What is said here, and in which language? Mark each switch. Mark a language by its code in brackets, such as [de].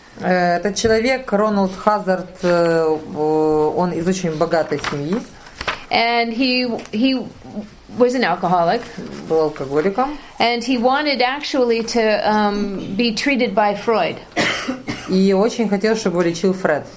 [ru] Этот человек, Рональд Хазард, он из очень богатой семьи. [en] And he was an alcoholic. [ru] Был алкоголиком. [en] And he wanted actually to be treated by Freud. [ru] И очень хотел, чтобы лечил Фред.